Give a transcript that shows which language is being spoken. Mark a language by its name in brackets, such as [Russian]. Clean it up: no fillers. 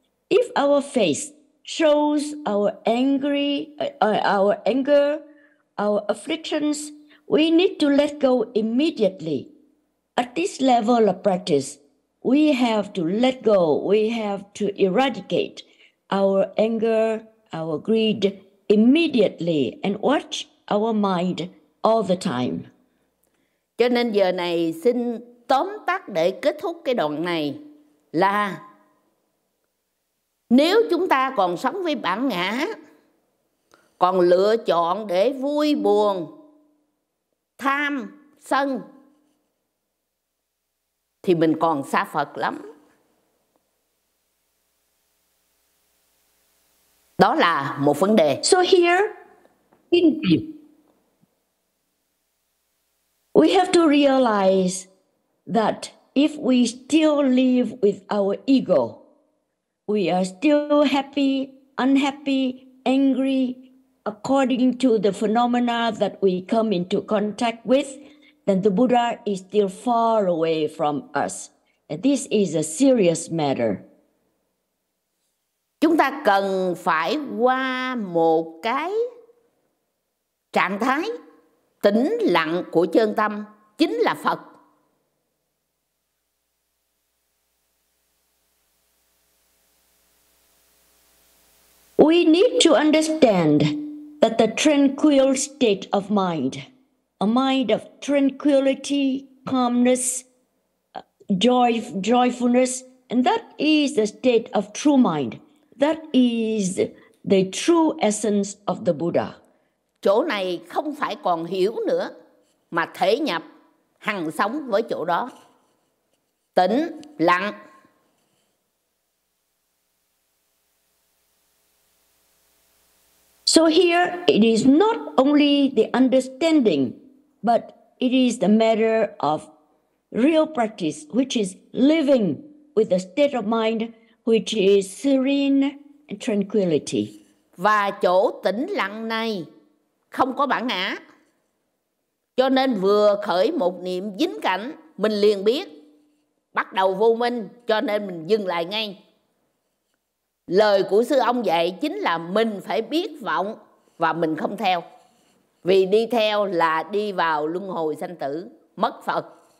[English] If our face shows our anger, our afflictions, we need to let go immediately. At this level of practice, we have to let go, we have to eradicate our anger, our greed immediately and watch our mind all the time. [Vietnamese] Cho nên giờ này xin tóm tắt để kết thúc cái đoạn này là nếu chúng ta còn sống với bản ngã, còn lựa chọn để vui buồn, tham, sân, thì mình còn xa Phật lắm. Đó là một vấn đề. [English] So here in view, we have to realize that if we still live with our ego, we are still happy, unhappy, angry according to the phenomena that we come into contact with, then the Buddha is still far away from us. And this is a serious matter. [Vietnamese] Chúng ta cần phải qua một cái trạng thái tĩnh lặng của chân tâm, chính là Phật. [English] We need to understand that the tranquil state of mind, a mind of tranquility, calmness, joyfulness, and that is the state of true mind. That is the true essence of the Buddha. [Vietnamese] Chỗ này không phải còn hiểu nữa, mà thể nhập hằng sống với chỗ đó. Tĩnh, lặng. [English] So here it is not only the understanding, but it is the matter of real practice, which is living with a state of mind which is serene and tranquility. [Vietnamese] Và chỗ tĩnh lặng này không có bản ngã, cho nên vừa khởi một niệm dính cảnh, mình liền biết bắt đầu vô minh, cho nên mình dừng lại ngay. Lời của sư ông dạy chính là mình phải biết vọng và mình không theo, vì đi theo là đi vào luân hồi sanh tử, mất Phật.